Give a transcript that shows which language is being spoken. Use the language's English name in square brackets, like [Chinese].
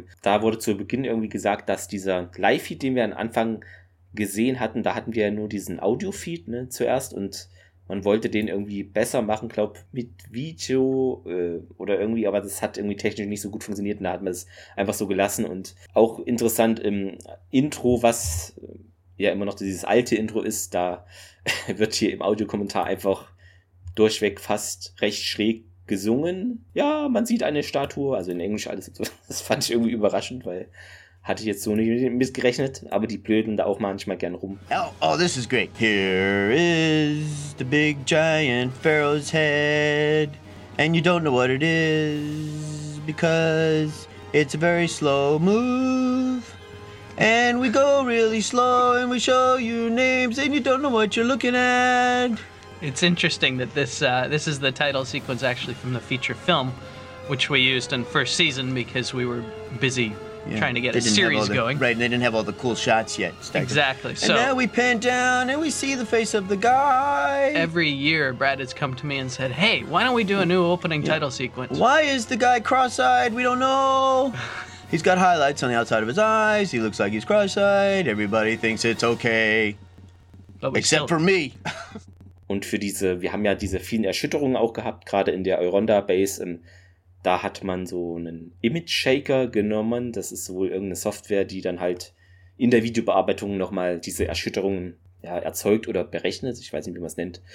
[German] Da wurde zu Beginn irgendwie gesagt, dass dieser Live-Feed, den wir am Anfang gesehen hatten, da hatten wir ja nur diesen Audio-Feed, ne, zuerst und man wollte den irgendwie besser machen, glaub mit Video oder irgendwie, aber das hat irgendwie technisch nicht so gut funktioniert und da hat man es einfach so gelassen und auch interessant im Intro, was ja immer noch dieses alte Intro ist, da wird hier im Audiokommentar einfach durchweg fast recht schräg gesungen. Ja, man sieht eine Statue, also in Englisch alles und so. Das fand ich irgendwie überraschend, weil hatte ich jetzt so nicht mitgerechnet, aber die blöden da auch manchmal gern rum. [English] Oh, this is great. Here is the big giant pharaoh's head. And you don't know what it is, because it's a very slow move. And we go really slow and we show you names and you don't know what you're looking at. It's interesting that this is the title sequence actually from the feature film, which we used in first season because we were busy trying to get a series going. Right, and they didn't have all the cool shots yet. Exactly. And so, now we pan down and we see the face of the guy. Every year, Brad has come to me and said, hey, why don't we do a new opening title sequence? Why is the guy cross-eyed? We don't know. He's got highlights on the outside of his eyes. He looks like he's cross-eyed. Everybody thinks it's okay. Except for me. [German] Und für diese, wir haben ja diese vielen Erschütterungen auch gehabt, gerade in der Euronda-Base. Da hat man so einen Image-Shaker genommen. Das ist wohl irgendeine Software, die dann halt in der Videobearbeitung nochmal diese Erschütterungen erzeugt oder berechnet. Ich weiß nicht, wie man es nennt.